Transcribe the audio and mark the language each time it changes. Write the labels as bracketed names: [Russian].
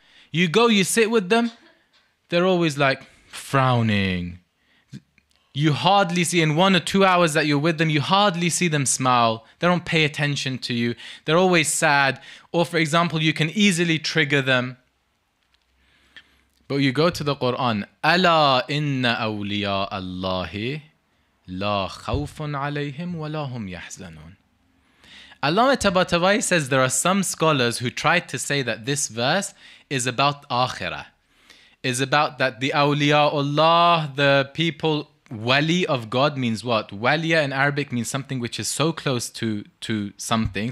[English] You go, you sit with them, they're always like frowning. You hardly see, in 1 or 2 hours that you're with them, you hardly see them smile. They don't pay attention to you. They're always sad. Or for example, you can easily trigger them. But you go to the Quran, [Arabic] أَلَّا إِنَّ أَوْلِيَاءَ اللَّهِ لَا خَوْفٌ عَلَيْهِمْ وَلَا هُمْ يَحْزَنُونَ. [English] Allama Tabatabai says there are some scholars who tried to say that this verse is about Akhirah. Is about that the awliyaullah, the people, wali of God means what? Waliya in Arabic means something which is so close to something.